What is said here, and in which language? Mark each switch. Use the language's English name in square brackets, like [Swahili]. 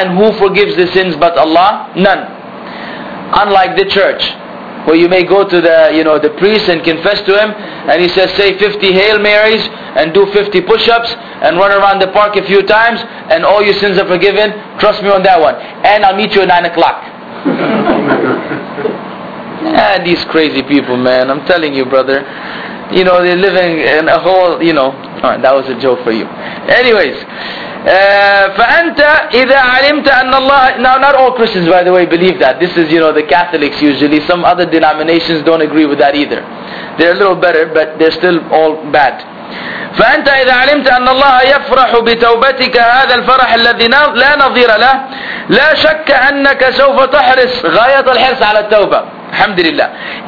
[English] And who forgives the sins but Allah? None. Unlike the church, where you may go to the, you know, the priest and confess to him, and he says, say 50 Hail Marys, and do 50 push-ups, and run around the park a few times, and all your sins are forgiven, trust me on that one. And I'll meet you at 9 o'clock. These crazy people, man. I'm telling you, brother. You know, they're living in a whole, you know. Alright, that was a joke for you. [Arabic] Anyways, فَأَنْتَ إِذَا عَلِمْتَ أَنَّ اللَّهَ. [English] Now, not all Christians, by the way, believe that. This is, you know, the Catholics usually. Some other denominations don't agree with that either. They're a little better, but they're still all bad. [Arabic] فَأَنْتَ إِذَا عَلِمْتَ أَنَّ اللَّهَ يَفْرَحُ بِتَوْبَتِكَ هَذَا الْفَرَحَ الَّذِي لَا نَظِيرَ لَهُ لَا شَكَّ أَنَّكَ سَوْفَ تَحْرِصْ غَايَةَ الْحِرْصِ عَلَى التَّوْبَةِ. الحمد لله.